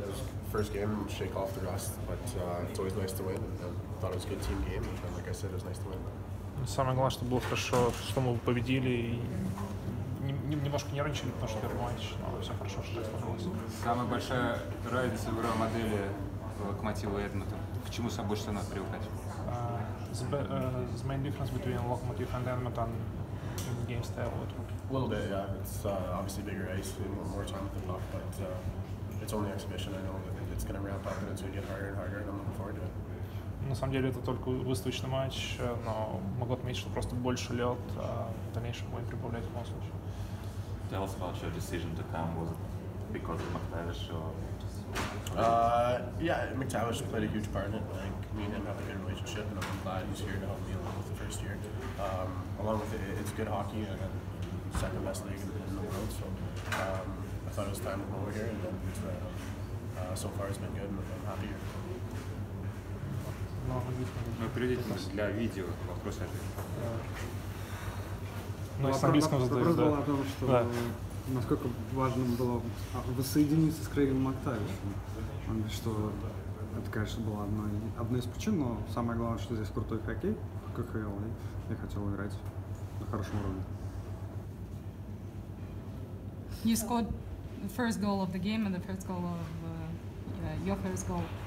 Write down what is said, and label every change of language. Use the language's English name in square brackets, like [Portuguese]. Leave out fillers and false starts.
[English] It was first game, shake off the rust, but it's always nice to win. I thought it was a good team game, and like I said, it was nice to win. [Russian] Самое главное, что было хорошо, что мы победили и немножко нервничали, потому что первый матч, но все хорошо, что жизнь покрылась. Самая большая разница в игровой модели Локомотива и Эдмонта. К чему с собой больше надо привыкать? [English] The main difference between Locomotive and Edmonton in the game style? A little bit, yeah. It's obviously bigger ice, we have more time with the puck, but it's only exhibition. I know that it's going to ramp up and it's going to get harder and harder, and I'm looking forward to it. [Russian] На самом деле это только выставочный матч, но могу отметить, что просто больше лед, а в дальнейшем будем прибавлять в любом случае. [English] Tell us about your decision to come. Was it because of McTavish or Yeah, McTavish played a huge part in it. Like, me and him have a good relationship, and I'm glad he's here to help me along with the first year. Along with it's good hockey and second best league in the world, so I thought it was time to come over here, and then so far it's been good, and I'm happy here. [Russian] Ну, приведите нас для видео вопрос. Ну, с английского задача. Вопрос был о том, что насколько важно было воссоединиться с Крейгом МакТавишем. Он говорит, что это, конечно, была одна из причин, но самое главное, что здесь крутой хоккей, КХЛ, и я хотел играть на хорошем уровне. [English] You scored the first goal of the game and the first goal of your first goal.